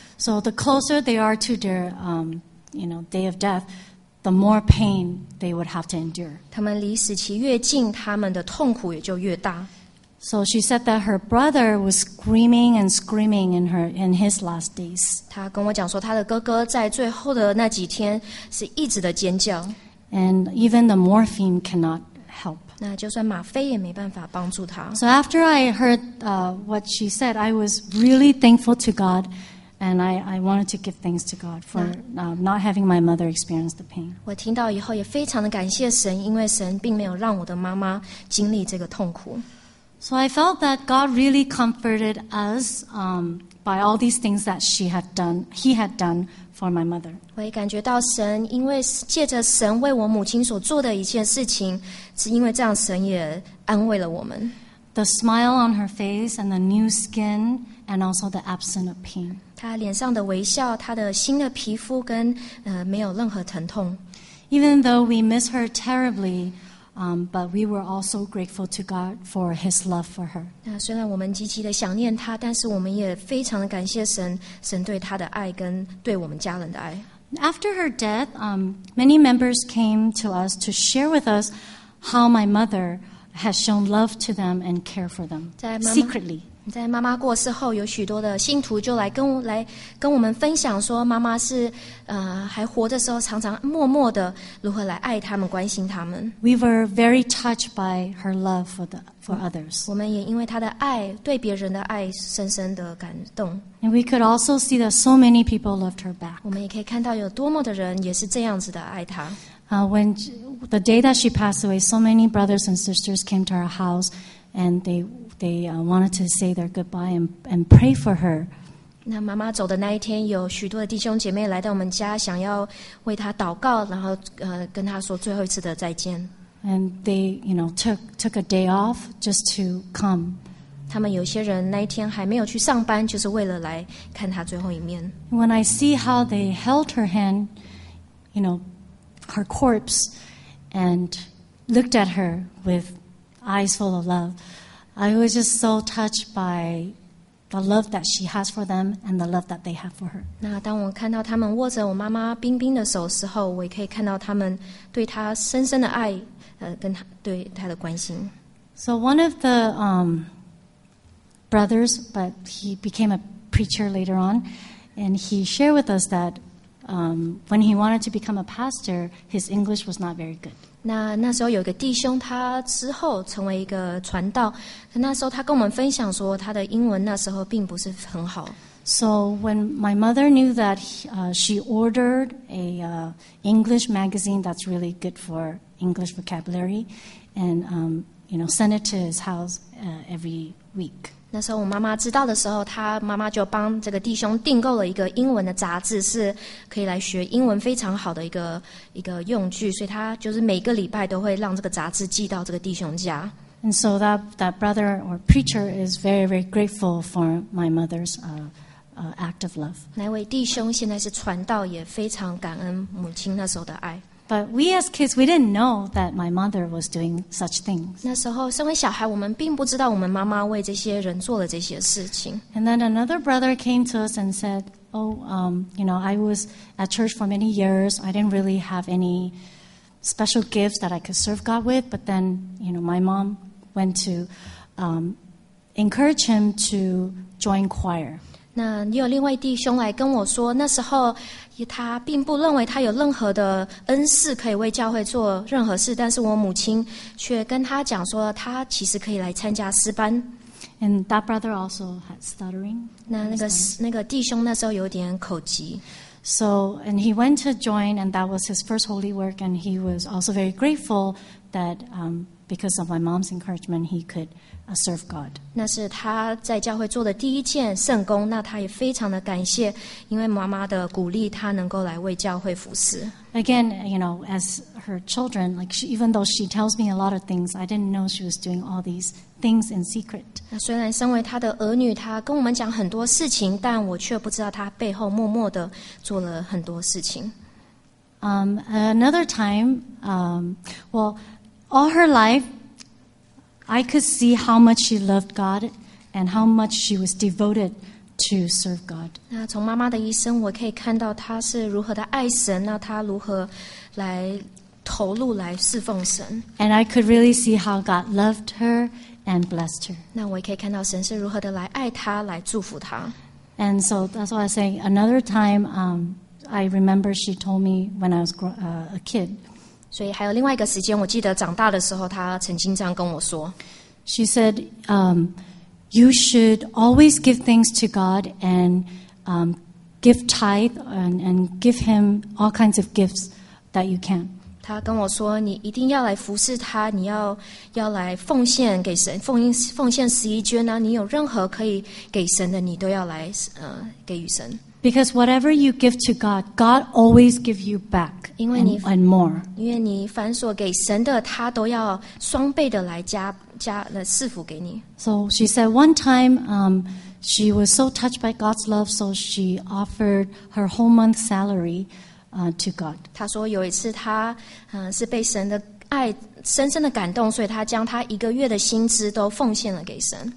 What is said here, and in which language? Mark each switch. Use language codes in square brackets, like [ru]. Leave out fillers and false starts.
[en] So the closer they are to their, day of death. The more pain they would have to endure. [zh] 他们离死期越近，他们的痛苦也就越大。 [en] So she said that her brother was screaming and screaming in his last days. [zh] 他跟我讲说，他的哥哥在最后的那几天是一直的尖叫。 [en] And even the morphine cannot help. [zh] 那就算吗啡也没办法帮助他。 [en] So after I heard what she said, I was really thankful to God. And I wanted to give thanks to God for not having my mother experience the pain. [zh] 我听到以后也非常的感谢神，因为神并没有让我的妈妈经历这个痛苦。 [en] So I felt that God really comforted us by all these things that He had done for my mother. [zh] 我也感觉到神，因为借着神为我母亲所做的一件事情，是因为这样神也安慰了我们。 [en] The smile on her face and the new skin and also the absence of pain. [zh] 他脸上的微笑，他的新的皮肤跟没有任何疼痛。 [en] Even though we miss her terribly, but we were also grateful to God for His love for her. [zh] 那虽然我们极其的想念他，但是我们也非常的感谢神，神对他的爱跟对我们家人的爱。 [en] After her death, many members came to us to share with us how my mother has shown love to them and care for them secretly. [zh] 在妈妈过世后，有许多的信徒就来跟我们分享说，妈妈是还活的时候，常常默默的如何来爱他们、关心他们。 [en] We were very touched by her love for others. [zh] 我们也因为她的爱对别人的爱深深的感动。 [en] And we could also see that so many people loved her back. [zh] 我们也可以看到有多么的人也是这样子的爱她。 [en] When the day that she passed away, so many brothers and sisters came to our house, and they wanted to say their goodbye and pray for her. [zh] 那妈妈走的那一天，有许多的弟兄姐妹来到我们家，想要为她祷告，然后跟她说最后一次的再见。 [en] And they, took a day off just to come. [zh] 他们有些人那一天还没有去上班，就是为了来看她最后一面。 [en] When I see how they held her hand, her corpse, and looked at her with eyes full of love. I was just so touched by the love that she has for them and the love that they have for her. [zh] 那当我看到他们握着我妈妈冰冰的手时候，我也可以看到他们对她深深的爱，跟她对她的关心。 [en] So one of the brothers, but he became a preacher later on, and he shared with us that when he wanted to become a pastor, his English was not very good. [zh] 那时候有一个弟兄，他之后成为一个传道。那时候他跟我们分享说，他的英文那时候并不是很好。 [en] So when my mother knew that, she ordered a English magazine that's really good for English vocabulary, and sent it to his house every week. [zh] 那时候我妈妈知道的时候，她妈妈就帮这个弟兄订购了一个英文的杂志，是可以来学英文非常好的一个用具，所以她就是每个礼拜都会让这个杂志寄到这个弟兄家。 [en] And so that brother or preacher is very, very grateful for my mother's act of love. [zh] 那位弟兄现在是传道，也非常感恩母亲那时候的爱。 [en] But we as kids, we didn't know that my mother was doing such things. [zh] 那时候，身为小孩，我们并不知道我们妈妈为这些人做了这些事情。 [en] And then another brother came to us and said, I was at church for many years. I didn't really have any special gifts that I could serve God with. But then, my mom went to encourage him to join choir. [zh] 那你有另外弟兄来跟我说，那时候他并不认为他有任何的恩赐可以为教会做任何事，但是我母亲却跟他讲说他其实可以来参加诗班。 [en] And that brother also had stuttering. [zh] 那个弟兄那时候有点口疾。 [en] So, and he went to join, and that was his first holy work, and he was also very grateful that, because of my mom's encouragement, he could serve God. [zh] 那是他在教会做的第一件圣工，那他也非常的感谢，因为妈妈的鼓励，他能够来为教会服事。 [en] Again, you know, as her children, like she, even though she tells me a lot of things, I didn't know she was doing all these things in secret. [zh] 那虽然身为他的儿女，他跟我们讲很多事情，但我却不知道他背后默默的做了很多事情。 [en] Another time, well. All her life, I could see how much she loved God and how much she was devoted to serve God. [zh] 那从妈妈的一生，我可以看到她是如何的爱神，那她如何来投入来侍奉神。 [en] And I could really see how God loved her and blessed her. [zh] 那我也可以看到神是如何的来爱她，来祝福她。 [en] And so that's what I say. Another time, I remember she told me when I was a kid. [zh] 所以还有另外一个时间，我记得长大的时候，她曾经这样跟我说。 [en] She said, "You should always give thanks to God and give tithe and give Him all kinds of gifts that you can." [zh] 她跟我说，你一定要来服侍他，你要来奉献给神，奉献十一捐啊！你有任何可以给神的，你都要来给予神。 [en] Because whatever you give to God, God always gives you back and more. [zh] 因为你凡所给神的，他都要双倍的来加来赐福给你。 [en] So she said one time, she was so touched by God's love, so she offered her whole month's salary, to God. [zh] 她说有一次她，是被神的爱深深的感动，所以她将她一个月的薪资都奉献了给神。